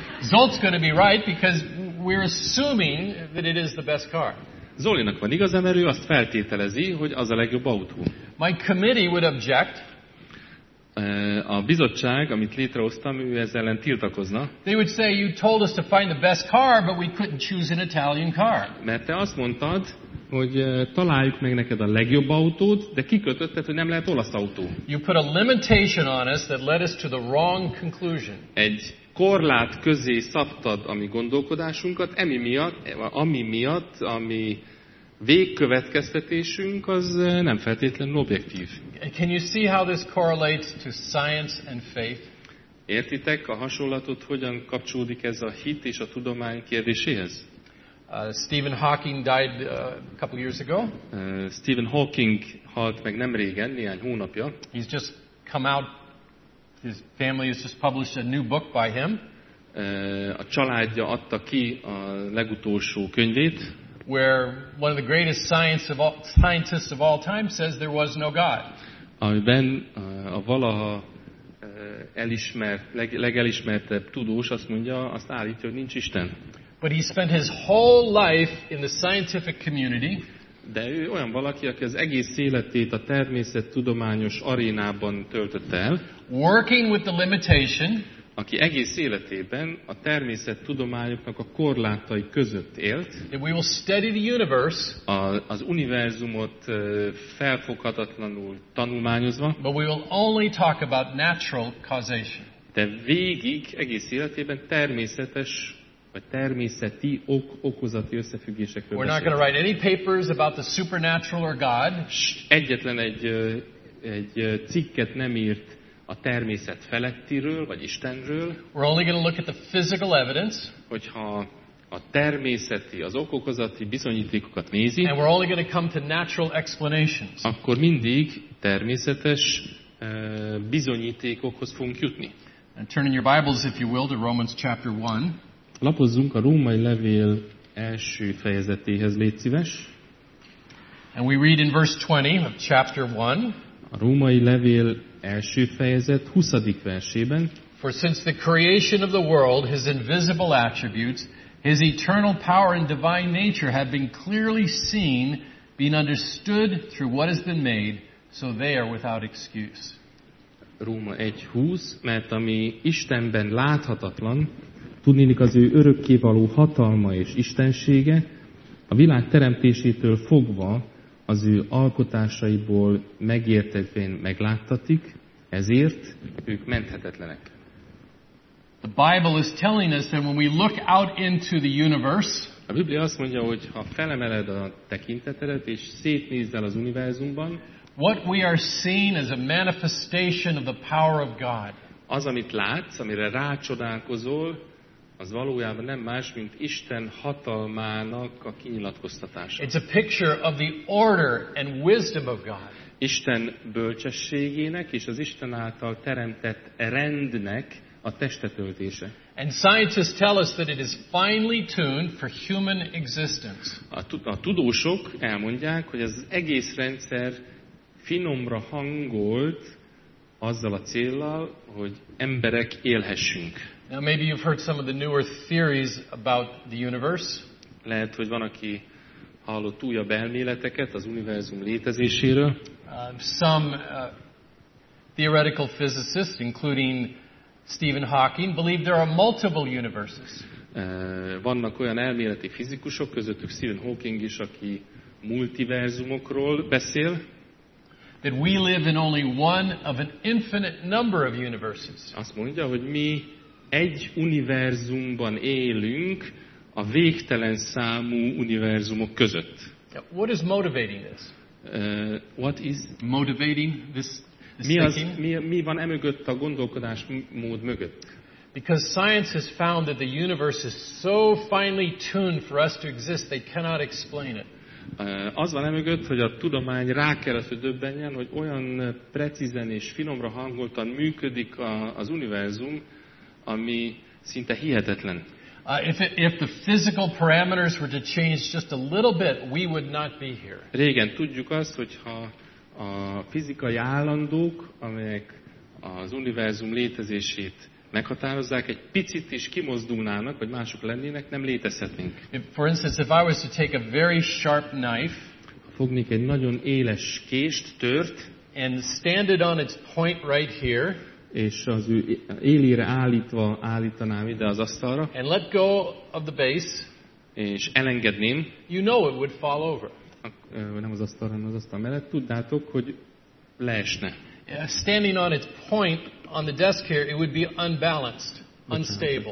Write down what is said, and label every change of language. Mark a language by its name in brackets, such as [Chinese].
[English] Zolt's going to be right because we're assuming that it is the best car. [Hungarian] Zolinak van igaza, mert ő azt feltételezi, hogy az a legjobb autó. [English] My committee would object. [Hungarian] A bizottság, amit létrehoztam, ő ezzel ellen tiltakozna. [English] They would say you told us to find the best car, but we couldn't choose an Italian car. [Hungarian] Mert te azt mondtad, hogy találjuk meg neked a legjobb autót, de kikötötted, hogy nem lehet olasz autó. [English] You put a limitation on us that led us to the wrong conclusion. [Hungarian] Egy korlát közé szabtad a mi gondolkodásunkat, ami végkövetkeztetésünk az nem feltétlenül objektív. [English] Can you see how this correlates to science and faith? [Hungarian] Értitek a hasonlatot, hogyan kapcsolódik ez a hit és a tudomány kérdéséhez? [English] Stephen Hawking died a couple years ago. [Hungarian] Stephen Hawking halt meg nem régen, néhány hónapja. [English] He's just come out. His family has just published a new book by him. [Hungarian] A családja adta ki a legutolsó könyvét. [English] Where one of the greatest scientists of all time says there was no God. [Hungarian] Amiben a valaha elismert, legelismertebb tudós azt mondja, azt állítja, hogy nincs Isten. [English] But he spent his whole life in the scientific community. [Hungarian] De ő olyan valaki, aki az egész életét a természettudományos arénában töltötte el. [English] Working with the limitation. [Hungarian] Aki egész életében a természettudományoknak a korlátai között élt. [English] That we will study the universe. [Hungarian] Az univerzumot felfoghatatlanul tanulmányozva. [English] But we will only talk about natural causation. [Hungarian] De végig egész életében természetes a természeti okozati összefüggésekről beszélünk. [English] We're not going to write any papers about the supernatural or God. [Hungarian] Egyetlen egy cikket nem írt a természet felettiről vagy Istenről. [English] We're only going to look at the physical evidence. [Hungarian] Hogyha a természeti, az okokozati bizonyítékokat nézi. [English] And we're only going to come to natural explanations. [Hungarian] Akkor mindig természetes bizonyítékokhoz fogunk jutni. [English] And turn in your Bibles if you will to Romans chapter 1. [Hungarian] Lapozzunk a Római Levél első fejezetéhez, légy szíves. [English] And we read in verse 20 of chapter 1. [Hungarian] A Római Levél első fejezet 20. versében. [English] For since the creation of the world, his invisible attributes, his eternal power and divine nature have been clearly seen, being understood through what has been made, so they are without excuse. [Hungarian] Róma 1:20, mert ami Istenben láthatatlan, tudnélik az ő örökké való hatalma és istensége, a világ teremtésétől fogva az ő alkotásaiból megértetvén megláttatik, ezért ők menthetetlenek. [English] The Bible is telling us that when we look out into the universe, [Hungarian] a Biblia azt mondja, hogy ha felemeled a tekintetedet és szétnézel az univerzumban, [English] what we are seeing is a manifestation of the power of God. [Hungarian] Az, amit látsz, amire rácsodálkozol, az valójában nem más, mint Isten hatalmának a kinyilatkoztatása. [English] It's a picture of the order and wisdom of God. [Hungarian] Isten bölcsességének és az Isten által teremtett rendnek a testetöltése. [English] And scientists tell us that it is finely tuned for human existence. [Hungarian] A tudósok elmondják, hogy az egész rendszer finomra hangolt azzal a céllal, hogy emberek élhessünk. [English] Now maybe you've heard some of the newer theories about the universe. [Hungarian] Lehet, hogy van, aki hallott újabb elméleteket az univerzum létezéséről. [English] Some theoretical physicists, including Stephen Hawking, believe there are multiple universes. [Hungarian] Vannak olyan elméleti fizikusok, közöttük Stephen Hawking is, aki multiverzumokról beszél. [English] That we live in only one of an infinite number of universes. [Hungarian] Azt mondja, hogy mi egy univerzumban élünk a végtelen számú univerzumok között. [English] What is motivating this? What is motivating this? [Hungarian] Mi van emögött a gondolkodásmód mögött? [English] Because science has found that the universe is so finely tuned for us to exist, they cannot explain it. [Hungarian] Az van emögött, hogy a tudomány rá kellett, hogy döbbenjen, hogy olyan precízen és finomra hangoltan működik az univerzum, ami szinte hihetetlen. [English] If the physical parameters were to change just a little bit, we would not be here. [Hungarian] Régen tudjuk azt, hogyha a fizikai állandók, amelyek az univerzum létezését meghatározzák, egy picit is kimozdulnának, vagy mások lennének, nem létezhetnénk. [English] For instance, if I was to take a very sharp knife, [Hungarian] fognék egy nagyon éles kést, tört, [English] and stand it on its point right here, [Hungarian] és az ő élére állítva állítanám ide az asztalra, [English] and let go of the base, [Hungarian] és elengedném, [English] you know it would fall over. [Hungarian] Nem az asztal, hanem az asztal mellett, tudnátok, hogy leesne. [English] Standing on its point on the desk here, it would be unbalanced, unstable.